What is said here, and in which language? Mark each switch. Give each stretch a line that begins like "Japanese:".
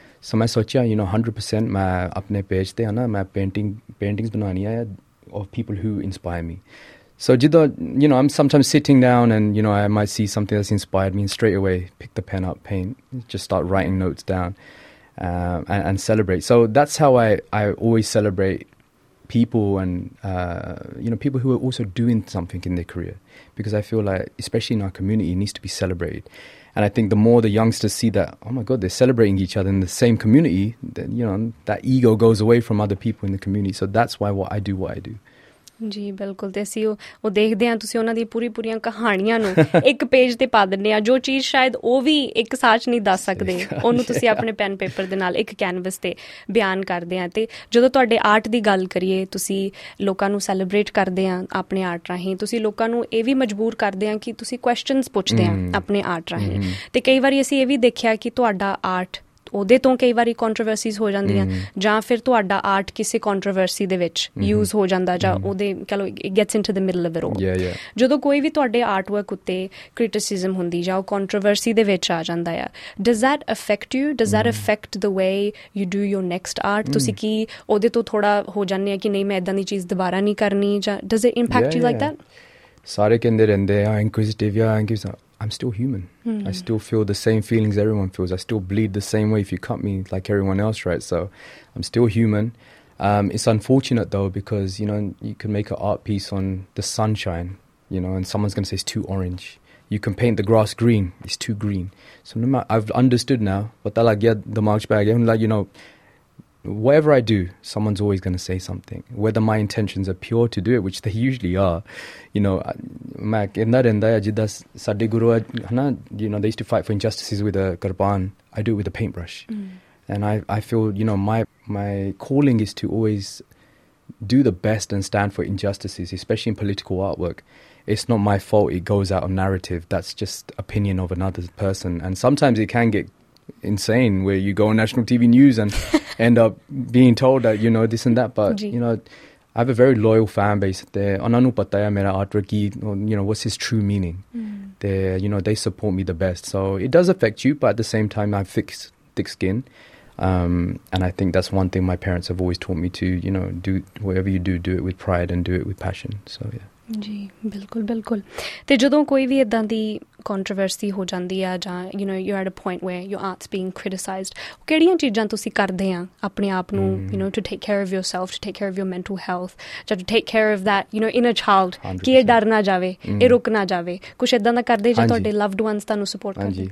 Punjabi: ਸੋ ਮੈਂ ਸੋਚਿਆ you know 100% ਮੈਂ ਆਪਣੇ ਪੇਜ 'ਤੇ ਹਾਂ ਨਾ ਮੈਂ ਪੇਂਟਿੰਗਸ ਬਣਾਉਣੀ ਆ
English: Of people who inspire me So, you know, I'm sometimes sitting down and, you know, I might see something that's inspired me and straight away pick the pen up, paint, just start writing notes down and celebrate. So that's how I always celebrate people and, you know, people who are also doing something in their career. Because I feel like, especially in our community, it needs to be celebrated. And I think the more the youngsters see that, oh my God, they're celebrating each other in the same community, then, you know, that ego goes away from other people in the community. So that's why what I do.
Punjabi: ਜੀ ਬਿਲਕੁਲ ਅਤੇ ਅਸੀਂ ਉਹ ਦੇਖਦੇ ਹਾਂ ਤੁਸੀਂ ਉਹਨਾਂ ਦੀਆਂ ਪੂਰੀ ਪੂਰੀਆਂ ਕਹਾਣੀਆਂ ਨੂੰ ਇੱਕ ਪੇਜ 'ਤੇ ਪਾ ਦਿੰਦੇ ਹਾਂ ਜੋ ਚੀਜ਼ ਸ਼ਾਇਦ ਉਹ ਵੀ ਇੱਕ ਸਾਹ 'ਚ ਨਹੀਂ ਦੱਸ ਸਕਦੇ ਉਹਨੂੰ ਤੁਸੀਂ ਆਪਣੇ ਪੈਨ ਪੇਪਰ ਦੇ ਨਾਲ ਇੱਕ ਕੈਨਵਸ 'ਤੇ ਬਿਆਨ ਕਰਦੇ ਹਾਂ ਅਤੇ ਜਦੋਂ ਤੁਹਾਡੇ ਆਰਟ ਦੀ ਗੱਲ ਕਰੀਏ ਤੁਸੀਂ ਲੋਕਾਂ ਨੂੰ ਸੈਲੀਬ੍ਰੇਟ ਕਰਦੇ ਹਾਂ ਆਪਣੇ ਆਰਟ ਰਾਹੀਂ ਤੁਸੀਂ ਲੋਕਾਂ ਨੂੰ ਇਹ ਵੀ ਮਜਬੂਰ ਕਰਦੇ ਹਾਂ ਕਿ ਤੁਸੀਂ ਕੁਐਸਚਨਸ ਪੁੱਛਦੇ ਹਾਂ ਆਪਣੇ ਆਰਟ ਰਾਹੀਂ ਅਤੇ ਕਈ ਵਾਰੀ ਅਸੀਂ ਇਹ ਵੀ ਦੇਖਿਆ ਕਿ ਤੁਹਾਡਾ ਆਰਟ ਉਹਦੇ ਤੋਂ ਕਈ ਵਾਰੀ ਕੰਟਰੋਵਰਸੀਜ਼ ਹੋ ਜਾਂਦੀਆਂ ਜਾਂ ਫਿਰ ਤੁਹਾਡਾ ਆਰਟ ਕਿਸੇ ਕੰਟਰੋਵਰਸੀ ਦੇ ਵਿੱਚ ਯੂਜ਼ ਹੋ ਜਾਂਦਾ ਜਾਂ ਉਹਦੇ ਕਹ ਲਓ
English: it gets into the middle of it all
Punjabi: ਜਦੋਂ ਕੋਈ ਵੀ ਤੁਹਾਡੇ ਆਰਟ ਵਰਕ ਉੱਤੇ ਕ੍ਰਿਟਿਸਿਜ਼ਮ ਹੁੰਦੀ ਜਾਂ ਉਹ ਕੰਟਰੋਵਰਸੀ ਦੇ ਵਿੱਚ ਆ ਜਾਂਦਾ ਆ
English: does that affect you does that affect the way you do your next art
Punjabi: ਤੁਸੀਂ ਕੀ ਉਹਦੇ ਤੋਂ ਥੋੜ੍ਹਾ ਹੋ ਜਾਂਦੇ ਆ ਕਿ ਨਹੀਂ ਮੈਂ ਇੱਦਾਂ ਦੀ ਚੀਜ਼ ਦੁਬਾਰਾ ਨਹੀਂ ਕਰਨੀ ਜਾਂ
English: does it impact you like that
Punjabi: ਸਾਰੇ ਕਹਿੰਦੇ ਰਹਿੰਦੇ ਆ ਇਨਕੁਇਜ਼ਿਟਿਵ ਯਾ ਇਨਕੁਇਜ਼ਿਟਿਵ
English: I'm still human. Mm-hmm. I still feel the same feelings everyone feels. I still bleed the same way if you cut me like everyone else, right? So I'm still human. It's unfortunate, though, because, you know, you can make an art piece on the sunshine, you know, and someone's going to say it's too orange. You can paint the grass green. It's too green. So no matter, I've understood now. But they're like, yeah, the march bag. And like, you know, whatever I do, someone's always going to say something. Whether my intentions are pure to do it, which they usually are, you know,
Punjabi: ਮੈਂ ਕਹਿੰਦਾ ਰਹਿੰਦਾ ਆ ਜਿੱਦਾਂ ਸਾਡੇ ਗੁਰੂ ਆ ਹੈ ਨਾ
English: You know they used to fight for injustices with a kirpan I do it with a paint brush and I feel you know my calling is to always do the best and stand for injustices specially in political art work it's not my fault it goes out on narrative that's just opinion of another person and sometimes it can get insane where you go on national TV news and end up being told that you know this and that but you know I have a very loyal fan base there.
Punjabi: Ananu pataya mera artwork ki,
English: you know, what's his true meaning? They, you know, they support me the best. So it does affect you, but at the same time, I have thick skin. And I think that's one thing my parents have always taught me to, you know, do whatever you do, do it with pride and do it with passion. So, yeah.
Punjabi: ਜੀ ਬਿਲਕੁਲ ਬਿਲਕੁਲ ਅਤੇ ਜਦੋਂ ਕੋਈ ਵੀ ਇੱਦਾਂ ਦੀ controversy ਹੋ ਜਾਂਦੀ ਆ ਜਾਂ
English: you know you at a point where you art's being criticised
Punjabi: ਕਿਹੜੀਆਂ ਚੀਜ਼ਾਂ ਤੁਸੀਂ ਕਰਦੇ ਆ ਆਪਣੇ ਆਪ ਨੂੰ
English: you know to take care of yourself to take care of your mental health
Punjabi: ਜਾਂ
English: to take care of that you know in a child
Punjabi: ਕਿ ਇਹ ਡਰ ਨਾ ਜਾਵੇ ਇਹ ਰੁਕ ਨਾ ਜਾਵੇ ਕੁਛ ਇੱਦਾਂ ਦਾ ਕਰਦੇ ਜਾਂ ਤੁਹਾਡੇ ਲਵਡ ਵਨਸ ਤੁਹਾਨੂੰ ਸਪੋਰਟ ਕਰਦੇ